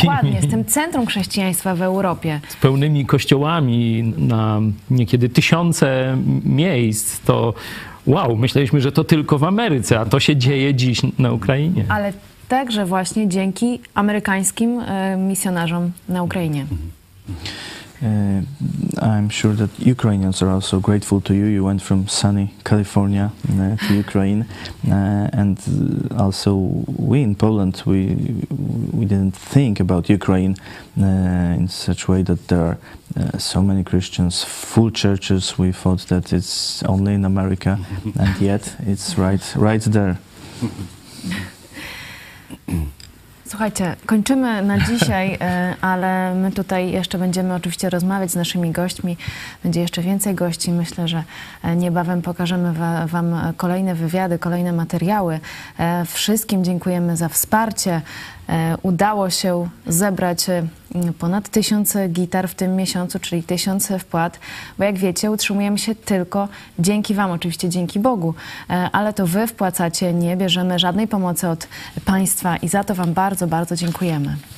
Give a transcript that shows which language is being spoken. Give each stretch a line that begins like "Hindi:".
Polish: Dokładnie, z tym centrum chrześcijaństwa w Europie. Z pełnymi kościołami na niekiedy tysiące miejsc, to wow, myśleliśmy, że to tylko w Ameryce, a to się dzieje dziś na Ukrainie. Ale także właśnie dzięki amerykańskim misjonarzom na Ukrainie.
English: I'm sure that Ukrainians are also grateful to you. You went from sunny California to Ukraine, and also we in Poland we didn't think about Ukraine in such way that there are so many Christians, full churches. We thought that it's only in America, and yet it's right there.
Polish: Słuchajcie, kończymy na dzisiaj, ale my tutaj jeszcze będziemy oczywiście rozmawiać z naszymi gośćmi. Będzie jeszcze więcej gości. Myślę, że niebawem pokażemy wam kolejne wywiady, kolejne materiały. Wszystkim dziękujemy za wsparcie. Udało się zebrać ponad 1000 gitar w tym miesiącu, czyli 1000 wpłat, bo jak wiecie, utrzymujemy się tylko dzięki wam, oczywiście dzięki Bogu, ale to wy wpłacacie, nie bierzemy żadnej pomocy od państwa i za to wam bardzo, bardzo dziękujemy.